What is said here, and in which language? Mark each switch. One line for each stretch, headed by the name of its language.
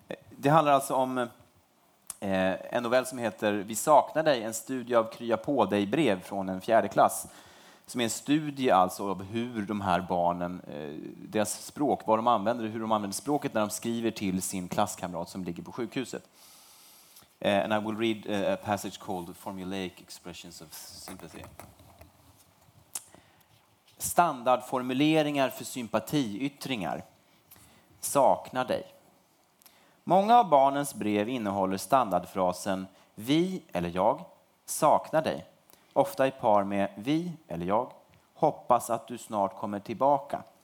Swedish: Det handlar alltså om en novell som heter Vi saknar dig, en studie av krya på dig brev från en fjärde klass, som är en studie alltså av hur de här barnen, deras språk, vad de använder, hur de använder språket när de skriver till sin klasskamrat som ligger på sjukhuset.
English: And I will read a passage called Formulaic Expressions of Sympathy.
Swedish: Standardformuleringar för sympatiyttringar. Saknar dig. Många av barnens brev innehåller standardfrasen vi eller jag saknar dig. Ofta i par med vi eller jag hoppas att du snart kommer tillbaka.